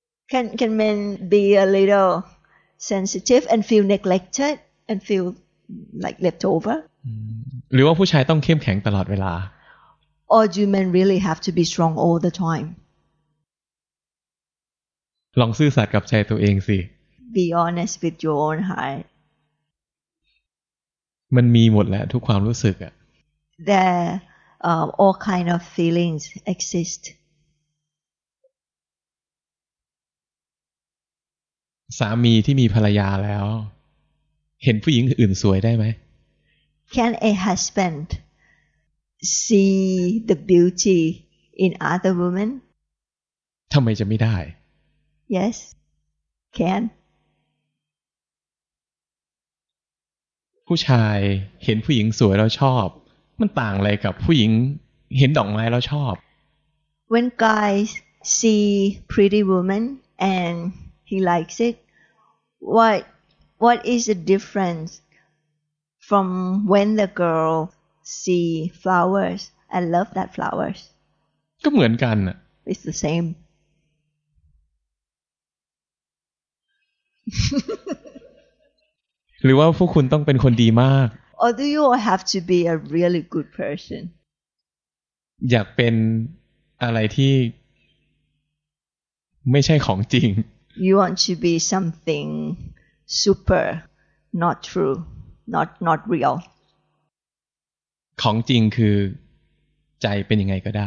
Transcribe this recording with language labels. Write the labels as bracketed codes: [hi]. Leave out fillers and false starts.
[en] Can men be a little sensitive and feel neglected and feel like left over [th] หรือว่าผู้ชายต้องเข้มแข็งตลอดเวลา [en] Or do men really have to be strong all the time [th] ลองซื่อสัตย์กับใจตัวเองสิ [en] Be honest with your own heart [th] มันมีหมดแหละทุกความรู้สึกอะ [en] There all kind of feelings exist [th] 3 สามีที่มีภรรยาแล้วเห็นผู้หญิงอื่นสวยได้ไหม [en] Can a husband see the beauty in other women [th] ทำไมจะไม่ได้ [en] Yes can [th] ผู้ชายเห็นผู้หญิงสวยแล้วชอบมันต่างอะไรกับผู้หญิงเห็นดอกไม้แล้วชอบ [en] When guys see pretty woman and he likes it what is the difference from when the girl see flowers and love that flowers [th] ก็เหมือนกัน [en] น่ะ It's the same [th] หรือว่าพวกคุณต้องเป็นคนดีมาก [en] Or do you all have to be a really good person? [th] อยากเป็นอะไรที่ไม่ใช่ของจริง [en] You want to be something super, not true, not real. [th] ของจริงคือใจเป็นยังไงก็ได